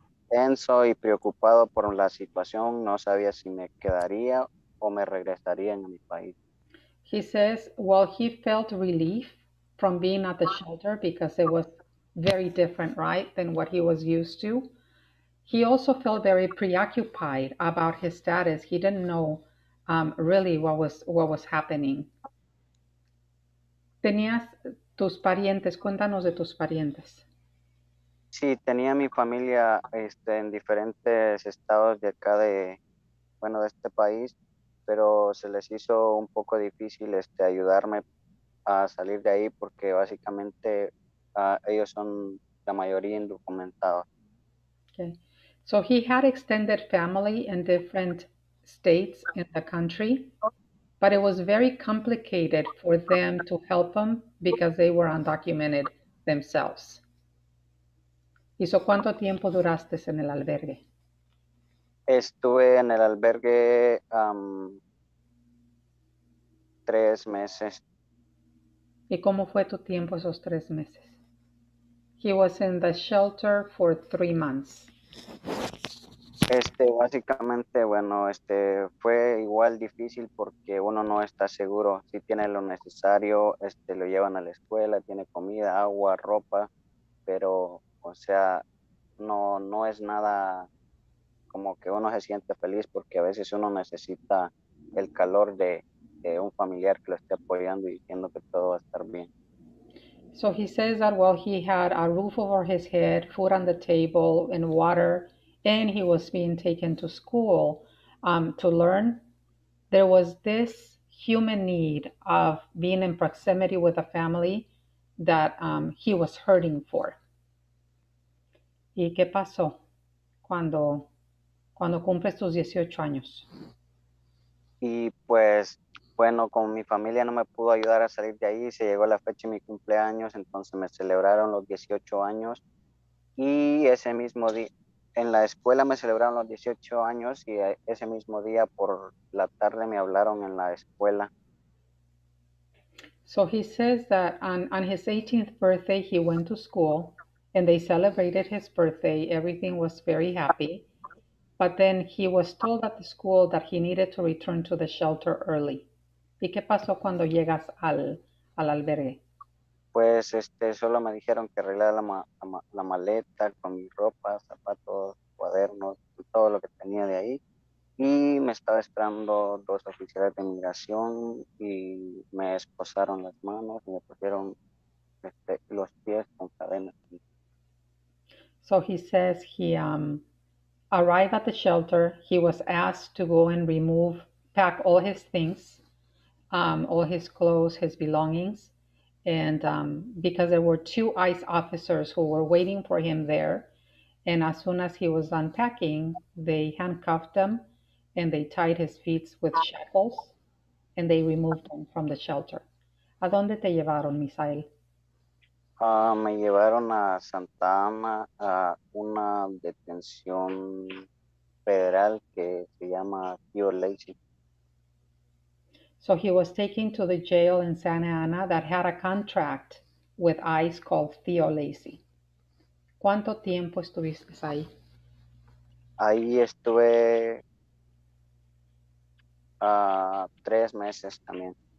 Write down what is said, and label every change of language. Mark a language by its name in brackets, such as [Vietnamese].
[Spanish] Tenso y preocupado por la situación, no sabía si me quedaría o me regresaría en mi país. [English] He says, well, he felt relief from being at the shelter because it was very different, right, than what he was used to. He also felt very preoccupied about his status. He didn't know really what was happening. [Spanish] ¿Tenías tus parientes? Cuéntanos de tus parientes. Sí, tenía mi familia en diferentes estados de acá de este país, pero se les hizo un poco difícil ayudarme a salir de ahí porque básicamente ellos son la mayoría indocumentados. [English] Okay. So he had extended family in different states in the country, but it was very complicated for them to help him because they were undocumented themselves. [Spanish] ¿Y so cuánto tiempo duraste en el albergue? Estuve en el albergue tres meses. ¿Y cómo fue tu tiempo esos tres meses? [English] He was in the shelter for 3 months. [Spanish] Básicamente, bueno, fue igual difícil porque uno no está seguro. Si tiene lo necesario, lo llevan a la escuela, tiene comida, agua, ropa, pero, o sea, no es nada como que uno se siente feliz porque a veces uno necesita el calor de un familiar que lo esté apoyando y diciendo que todo va a estar bien. [English] So he says that while he had a roof over his head, food on the table, and water, and he was being taken to school to learn, there was this human need of being in proximity with a family that he was hurting for. [Spanish] ¿Y qué pasó cuando cumples tus 18 años? Y pues, bueno, con mi familia no me pudo ayudar a salir de ahí. Se llegó la fecha de mi cumpleaños, entonces me celebraron los 18 años. Y ese mismo día, en la escuela me celebraron los 18 años y ese mismo día por la tarde me hablaron en la escuela. [English] So he says that on his 18th birthday, he went to school and they celebrated his birthday. Everything was very happy. But then he was told at the school that he needed to return to the shelter early. [Spanish] ¿Y qué pasó cuando llegas al albergue? Pues solo me dijeron que arreglara la maleta con mi ropa, zapatos, cuadernos, todo lo que tenía de ahí. Y me estaba esperando dos oficiales de inmigración y me esposaron las manos y me pusieron los pies con cadenas. [English] So he says he arrived at the shelter. He was asked to go and pack all his things, all his clothes, his belongings. And because there were two ICE officers who were waiting for him there. And as soon as he was unpacking, they handcuffed him and they tied his feet with shackles and they removed him from the shelter. [Spanish] ¿A dónde te llevaron, Misael? Me llevaron a Santa Ana a una detención federal que se llama Pure Lazy. [English] So he was taken to the jail in Santa Ana that had a contract with ICE called Theo Lacy. [Spanish] ¿Cuánto tiempo estuviste ahí? Ahí estuve 3 meses también.